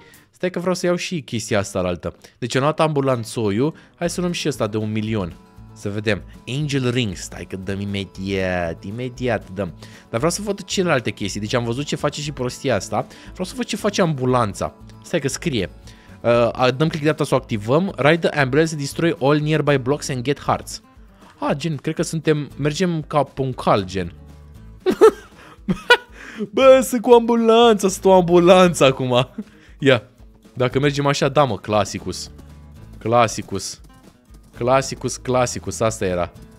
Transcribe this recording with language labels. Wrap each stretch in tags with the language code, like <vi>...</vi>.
<ro>Stai că vreau să iau și chestia asta la altă. Deci am luat ambulanțoiul. Hai să luăm și ăsta de 1.000.000. Să vedem. Angel Ring, stai că dăm imediat, imediat dăm. Dar vreau să văd celelalte chestii. Deci am văzut ce face și prostia asta. Vreau să văd ce face ambulanța. Stai că scrie. Dăm click dreapta să o activăm.</ro> <en>Ride the ambulance, destroy all nearby blocks and get hearts.</en> <ro>Ah, gen, cred că suntem, mergem ca puncal, gen. Bă, sunt cu ambulanța, sunt o ambulanță acum. Ia, dacă mergem așa, da mă, Classicus. Classicus. Classicus, Classicus, asta era.</ro>